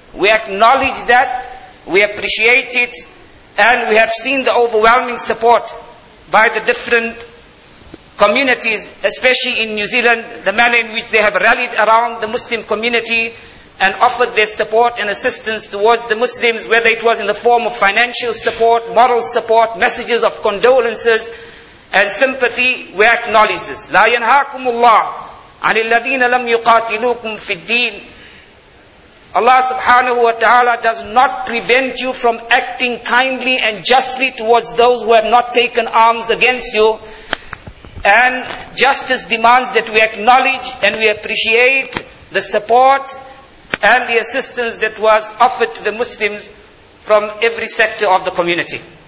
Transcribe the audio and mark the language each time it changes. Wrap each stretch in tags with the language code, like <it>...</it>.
<en>We acknowledge that, we appreciate it, and we have seen the overwhelming support by the different communities, especially in New Zealand, the manner in which they have rallied around the Muslim community and offered their support and assistance towards the Muslims, whether it was in the form of financial support, moral support, messages of condolences and sympathy. We acknowledge this.</en> <ar>لا ينهاكم الله عن الذين لم يقاتلوكم في الدين.</ar> <en>Allah subhanahu wa ta'ala does not prevent you from acting kindly and justly towards those who have not taken arms against you. And justice demands that we acknowledge and we appreciate the support and the assistance that was offered to the Muslims from every sector of the community.</en>